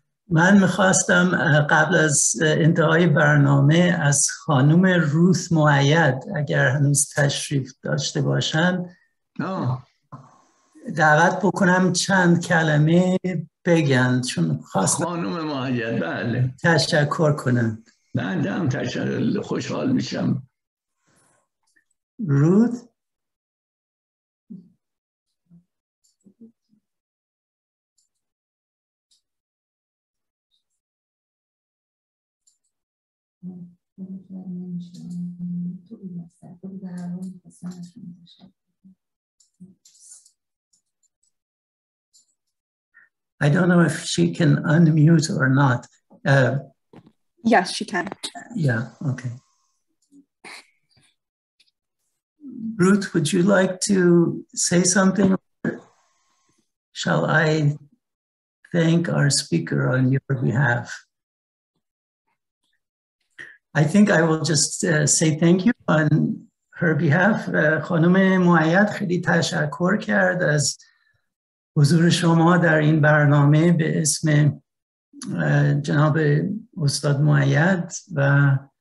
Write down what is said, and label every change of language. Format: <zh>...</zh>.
<fa>من میخواستم قبل از انتهای برنامه از خانم روث معید اگر هنوز تشریف داشته باشند دعوت بکنم چند کلمه بگن چون خواستم خانم معید بله تشکر کنم بنده هم تشکر خوشحال میشم روث</fa> <en>I don't know if she can unmute or not. Yes, she can. Yeah, okay. Ruth, would you like to say something? Shall I thank our speaker on your behalf? I think I will just say thank you on her behalf.</en> <fa>خانم معید خیلی تشکر کرد از حضور شما در این برنامه به اسم جناب استاد معید و</fa>